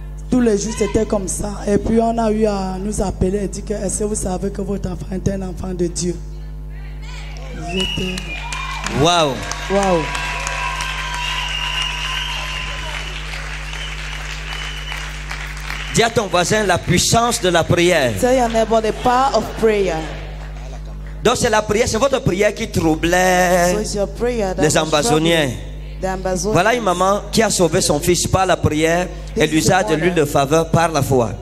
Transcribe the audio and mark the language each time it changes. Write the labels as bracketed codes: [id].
[fr] Tous les jours, c'était comme ça. Et puis, on a eu à nous appeler et dire que, est-ce que vous savez que votre enfant est un enfant de Dieu? Wow. Dis à ton voisin la puissance de la prière. [en] Tell your neighbor the power of prayer. [fr] Donc c'est la prière, c'est votre prière qui troublait [en] so [fr] les ambassonniers. Voilà une maman qui a sauvé son fils par la prière et l'usage de l'huile de faveur par la foi.